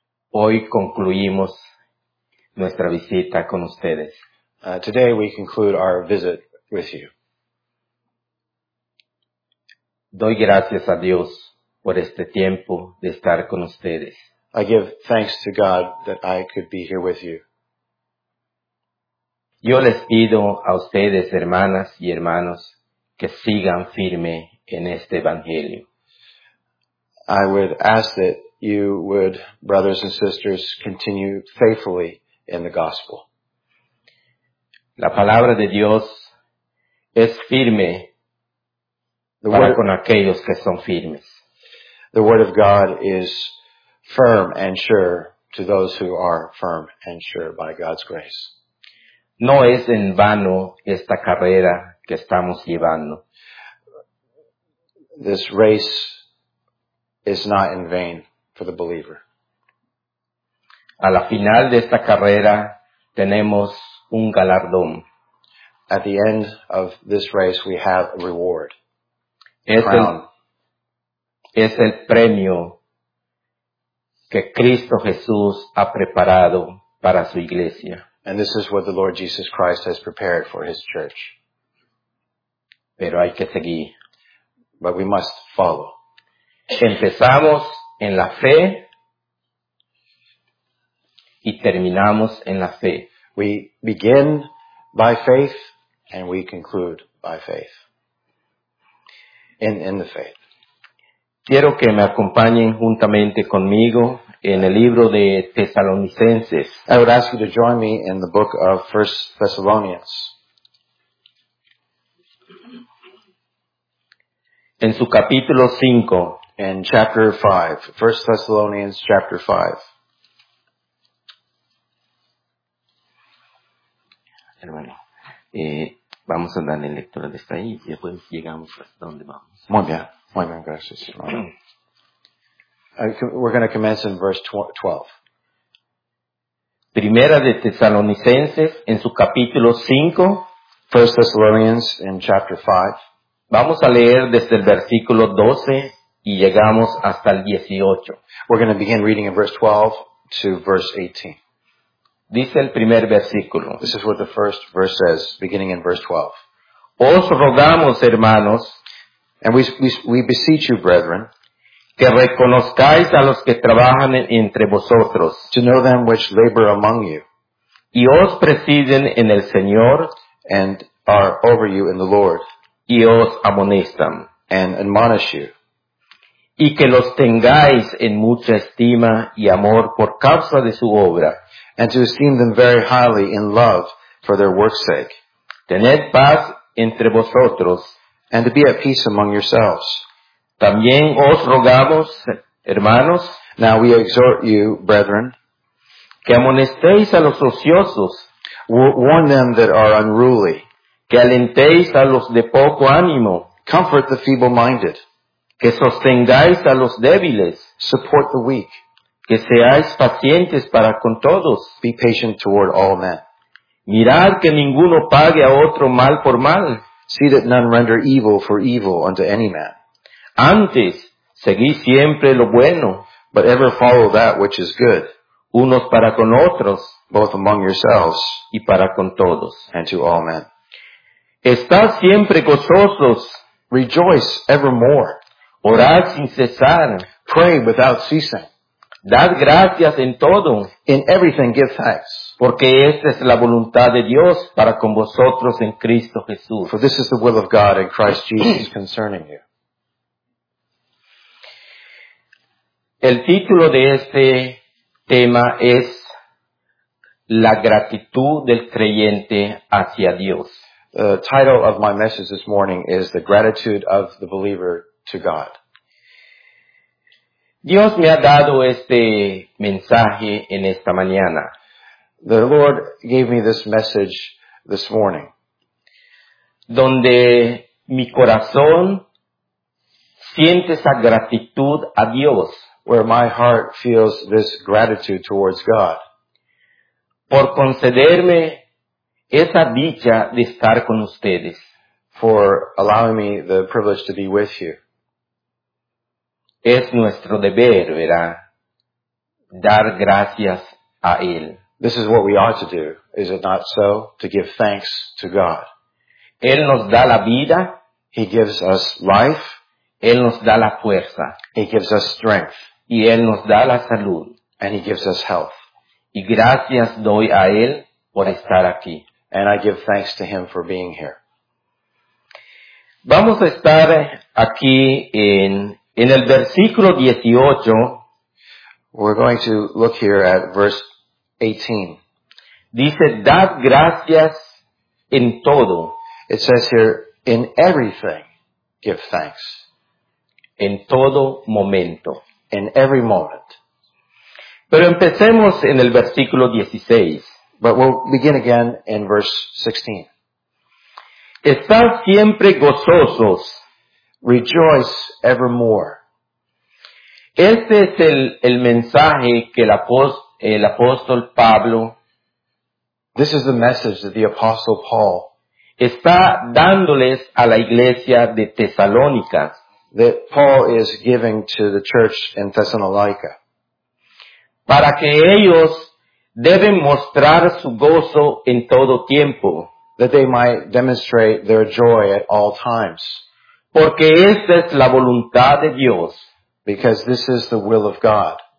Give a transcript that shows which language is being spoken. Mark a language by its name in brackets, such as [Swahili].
[Spanish] Hoy concluimos nuestra visita con ustedes. [English] Today we conclude our visit with you. [Spanish] Doy gracias a Dios por este tiempo de estar con ustedes. [English] I give thanks to God that I could be here with you. [Spanish] Yo les pido a ustedes, hermanas y hermanos, que sigan firme en este evangelio. [English] I would ask that you would, brothers and sisters, continue faithfully in the gospel. [Spanish] La palabra de Dios es firme para con aquellos que son firmes. [English] The word of God is firm and sure to those who are firm and sure by God's grace. [Spanish] No es en vano esta carrera que estamos llevando. [English] This race is not in vain for the believer. [Spanish] A la final de esta carrera tenemos un galardón. [English] At the end of this race we have a reward. [Spanish] Es el premio que Cristo Jesús ha preparado para su iglesia. [English] And this is what the Lord Jesus Christ has prepared for his church. [Spanish] Pero hay que seguir. [English] But we must follow. [Spanish] Empezamos en la fe y terminamos en la fe. [English] We begin by faith and we conclude by faith. In the faith. [Spanish] Quiero que me acompañen juntamente conmigo en el libro de Tesalonicenses. [English] I would ask you to join me in the book of 1 Thessalonians. [Spanish] En su capítulo 5. [English] In chapter 5. 1 Thessalonians chapter 5. [Spanish] Hermano, vamos a darle lectura desde ahí y después llegamos a donde vamos. Muy bien, gracias. [English] We're going to commence in verse 12. [Spanish] Primera de Tesalonicenses en su capítulo 5. [English] 1 Thessalonians in chapter 5. [Spanish] Vamos a leer desde el versículo 12 y llegamos hasta el 18. [English] We're going to begin reading in verse 12 to verse 18. [Spanish] Dice el primer versículo. [English] This is what the first verse says, beginning in verse 12. [Spanish] Os rogamos, hermanos, [English] and we beseech you, brethren, [Spanish] que reconozcáis a los que trabajan entre vosotros, [English] to know them which labor among you, [Spanish] y os presiden en el Señor, [English] and are over you in the Lord, [Spanish] y os amonestan, [English] and admonish you, [Spanish] y que los tengáis en mucha estima y amor por causa de su obra. [English] And to esteem them very highly in love for their work's sake. [Spanish] Tened paz entre vosotros. [English] And to be at peace among yourselves. [Spanish] También os rogamos, hermanos. [English] Now we exhort you, brethren. [Spanish] Que amonestéis a los ociosos. [English] Warn them that are unruly. [Spanish] Que alentéis a los de poco ánimo. [English] Comfort the feeble-minded. [Spanish] Que sostengáis a los débiles. [English] Support the weak. [Spanish] Que seáis pacientes para con todos. [English] Be patient toward all men. [Spanish] Mirad que ninguno pague a otro mal por mal. [English] See that none render evil for evil unto any man. [Spanish] Antes, seguid siempre lo bueno. [English] But ever follow that which is good. [Spanish] Unos para con otros. [English] Both among yourselves. [Spanish] Y para con todos. [English] And to all men. [Spanish] Estad siempre gozosos. [English] Rejoice evermore. [Spanish] Orad sin cesar. [English] Pray without ceasing. [Spanish] Dad gracias en todo. [English] In everything give thanks. [Spanish] Porque esta es la voluntad de Dios para con vosotros en Cristo Jesús. [English] For this is the will of God in Christ Jesus concerning you. [Spanish] El título de este tema es la gratitud del creyente hacia Dios. [English] The title of my message this morning is The Gratitude of the Believer to God. [Spanish] Dios me ha dado este mensaje en esta mañana. [English] The Lord gave me this message this morning. [Spanish] Donde mi corazón siente esa gratitud a Dios. [English] Where my heart feels this gratitude towards God. [Spanish] Por concederme esa dicha de estar con ustedes. [English] For allowing me the privilege to be with you. [Spanish] Es nuestro deber, ¿verdad? Dar gracias a Él. [English] This is what we ought to do, is it not so? To give thanks to God. [Spanish] Él nos da la vida. [English] He gives us life. [Spanish] Él nos da la fuerza. [English] He gives us strength. [Spanish] Y Él nos da la salud. [English] And He gives us health. [Spanish] Y gracias doy a Él por estar aquí. [English] And I give thanks to Him for being here. [Spanish] Vamos a estar aquí en el versículo 18. [English] We're going to look here at verse 18. [Spanish] Dice, dad gracias en todo. [English] It says here, in everything, give thanks. [Spanish] En todo momento. [English] In every moment. [Spanish] Pero empecemos en el versículo 16. [English] But we'll begin again in verse 16. [Spanish] Estad siempre gozosos. [English] Rejoice evermore. [Spanish] Este es el mensaje que el apóstol Pablo. [English] This is the message that the apostle Paul [Spanish] está dándoles a la iglesia de Tesalónica. [English] That Paul is giving to the church in Thessalonica. [Spanish] Para que ellos deben mostrar su gozo en todo tiempo. [English] That they might demonstrate their joy at all times. [Spanish] Porque esta es la voluntad de Dios. [English] Because this is the will of God.